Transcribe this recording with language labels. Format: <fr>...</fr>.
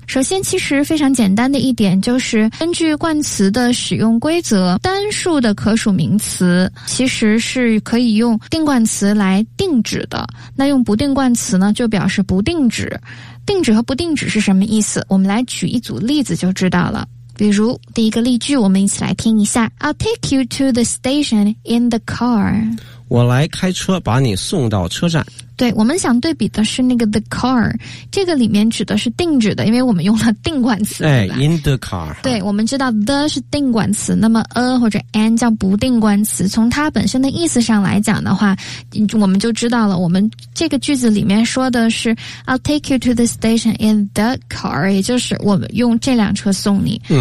<zh>首先其实非常简单的一点，就是根据冠词的使用规则，单数的可数名词其实是可以用定冠词来定指的，那用不定冠词呢就表示不定指。定指和不定指是什么意思？我们来举一组例子就知道了。比如第一个例句，我们一起来听一下。</zh> <en>I'll take you to the station in the car.</en> <zh>我来开车把你送到车站。对，我们想对比的是那个 the car， 这个里面指的是定指的，因为我们用了定冠词。</zh> <en>哎 ，in the car。</en> <zh>对，我们知道 the 是定冠词，那么 a 或者 an 叫不定冠词。从它本身的意思上来讲的话，我们就知道了，我们这个句子里面说的是</zh> <en>I'll take you to the station in the car，</en> <zh>也就是我们用这辆车送你。</zh>